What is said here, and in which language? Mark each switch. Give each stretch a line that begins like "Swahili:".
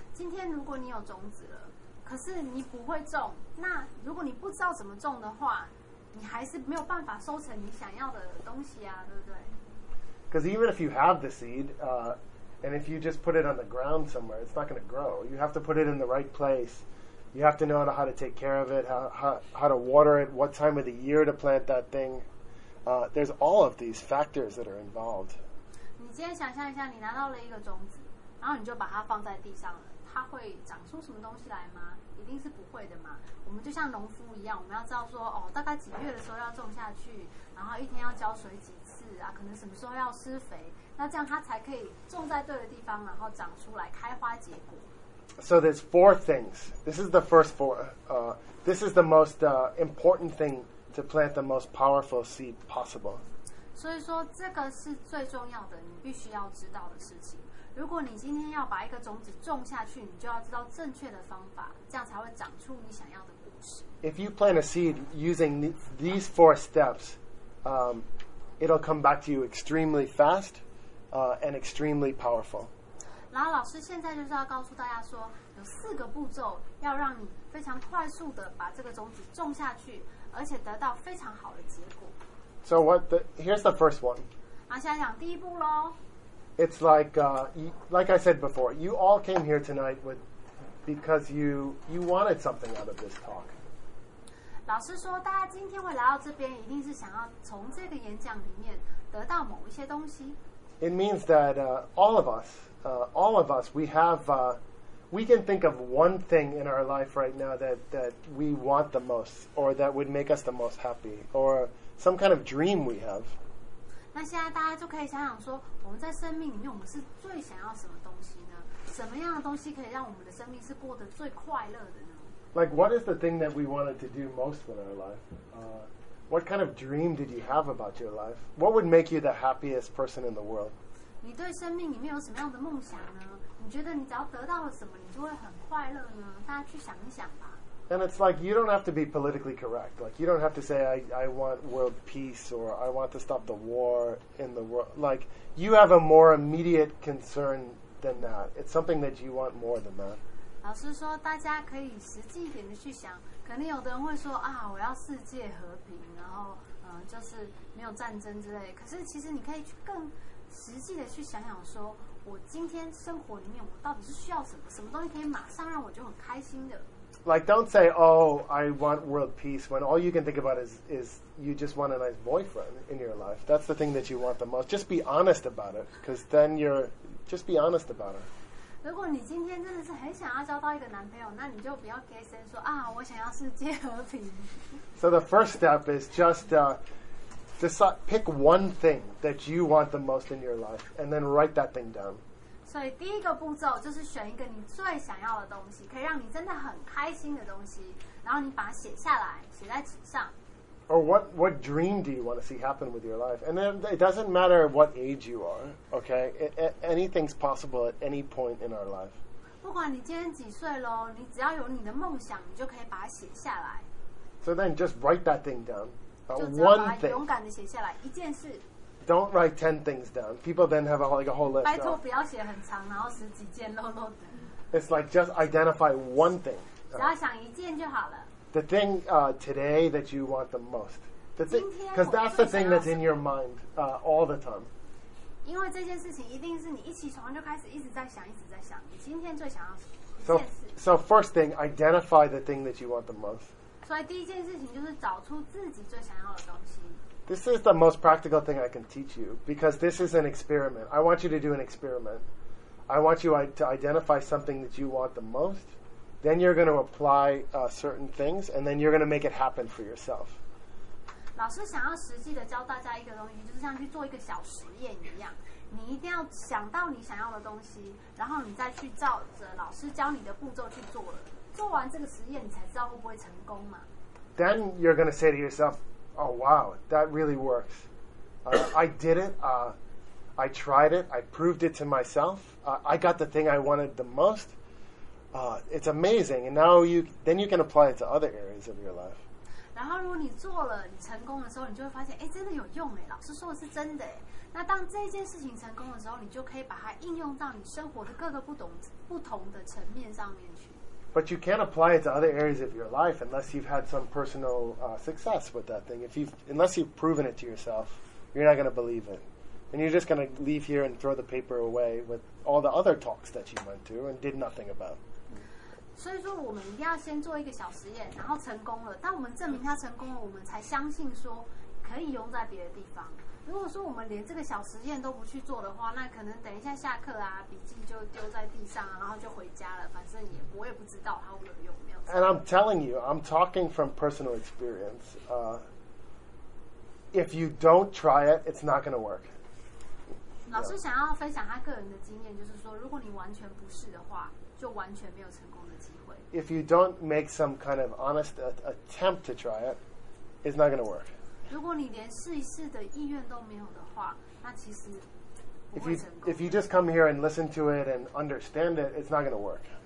Chinese: 今天如果你有种子了，可是你不会种，那如果你不知道怎么种的话，你还是没有办法收成你想要的东西啊，对不对？
English: Because even if you have the seed, and if you just put it on the ground somewhere, it's not going to grow. You have to put it in the right place. You have to know how to take care of it, how to water it, what time of the year to plant that thing. There's all of these factors that are involved.
Chinese: 你今天想象一下，你拿到了一个种子，然后你就把它放在地上了，它会长出什么东西来吗？一定是不会的嘛。我们就像农夫一样，我们要知道说，哦，大概几月的时候要种下去，然后一天要浇水几次啊，可能什么时候要施肥，那这样它才可以种在对的地方，然后长出来开花结果。
English: So there's four things. This is the first four. This is the most important thing to plant the most powerful seed possible.
Chinese: 所以说这个是最重要的，你必须要知道的事情。如果你今天要把一个种子种下去，你就要知道正确的方法，这样才会长出你想要的果实。
English: If you plant a seed using these four steps, it'll come back to you extremely fast, and extremely powerful.
Chinese: 然后老师现在就是要告诉大家说，有四个步骤要让你非常快速的把这个种子种下去，而且得到非常好的结果。
English: So what? Here's the first one.
Chinese: 好，现在讲第一步喽。
English: It's like I said before, you all came here tonight because you wanted something out of this talk.
Chinese: 老师说，大家今天会来到这边，一定是想要从这个演讲里面得到某一些东西。
English: It means that all of us, we have, we can think of one thing in our life right now that we want the most, or that would make us the most happy, or some kind of dream we have.
Chinese: 那现在大家就可以想想说，我们在生命里面，我们是最想要什么东西呢？什么样的东西可以让我们的生命是过得最快乐的呢？
English: Like, what is the thing that we wanted to do most in our life? What kind of dream did you have about your life? What would make you the happiest person in the world?
Chinese: 你对生命里面有什么样的梦想呢？你觉得你只要得到了什么，你就会很快乐呢？大家去想一想吧。
English: And it's like, you don't have to be politically correct. Like, you don't have to say, I want world peace, or I want to stop the war in the world. Like, you have a more immediate concern than that. It's something that you want more than that.
Chinese: 老师说大家可以实际一点的去想，可能有的人会说啊，我要世界和平，然后就是没有战争之类。可是其实你可以去更实际的去想想说，我今天生活里面我到底是需要什么，什么东西可以马上让我就很开心的。
English: Like, don't say, oh, I want world peace, when all you can think about is you just want a nice boyfriend in your life. That's the thing that you want the most. Just be honest about it, because then you're... Just be honest about it.
Chinese: 如果你今天真的是很想要交到一个男朋友，那你就不要给谁说啊，我想要世界和平。
English: So the first step is just pick one thing that you want the most in your life, and then write that thing down.
Chinese: 所以第一个步骤就是选一个你最想要的东西，可以让你真的很开心的东西，然后你把它写下来，写在纸上。
English: Or what dream do you want to see happen with your life? And then it doesn't matter what age you are, okay? Anything's possible at any point in our life.
Chinese: 不管你今天几岁咯，你只要有你的梦想，你就可以把它写下来。
English: So then just write that thing down. One thing.
Chinese: 就只要把它勇敢的写下来，一件事。
English: Don't write 10 things down. People then have a whole list.
Chinese: 拜托不要写很长，然后十几件漏漏的。
English: It's like just identify one thing.
Chinese: 只要想一件就好了。
English: The thing today that you want the most. The thing, because that's the thing that's in your mind all the time.
Chinese: 因为这件事情一定是你一起床就开始一直在想，一直在想。你今天最想要一件事。
English: So first thing, identify the thing that you want the most.
Chinese: 所以第一件事情就是找出自己最想要的东西。
English: This is the most practical thing I can teach you because this is an experiment. I want you to do an experiment. I want you to identify something that you want the most. Then you're going to apply certain things and then you're going to make it happen for yourself.
Chinese: 老师想要实际的教大家一个东西，就是像去做一个小实验一样。你一定要想到你想要的东西，然后你再去照着老师教你的步骤去做了。做完这个实验，你才知道会不会成功嘛。
English: Then you're going to say to yourself,Oh, wow, that really works. I did it. I tried it. I proved it to myself. I got the thing I wanted the most. It's amazing. And now you can apply it to other areas of your life.
Chinese: 然后如果你做了，你成功的时候，你就会发现，哎，真的有用哎，老师说的是真的哎。那当这件事情成功的时候，你就可以把它应用到你生活的各个不同的层面上面去。
English: But you can't apply it to other areas of your life unless you've had some personal success with that thing. Unless you've proven it to yourself, you're not going to believe it. And you're just going to leave here and throw the paper away with all the other talks that you went to and did nothing about.
Chinese: 所以说我们一定要先做一个小实验，然后成功了，当我们证明它成功了，我们才相信说可以用在别的地方。如果说我们连这个小实验都不去做的话，那可能等一下下课啊，笔记就丢在地上，然后就回家了，反正也我也不知道它有没有用。
English: And I'm telling you, I'm talking from personal experience. If you don't try it, it's not going to work.
Chinese: 老师想要分享他个人的经验，就是说，如果你完全不试的话，就完全没有成功的机会。
English: If you don't make some kind of honest attempt to try it, it's not going to work.
Chinese: 如果你连试一试的意愿都没有的话，那其实不会成功。
English: If you just come here and listen to it and understand it, it's not going to work.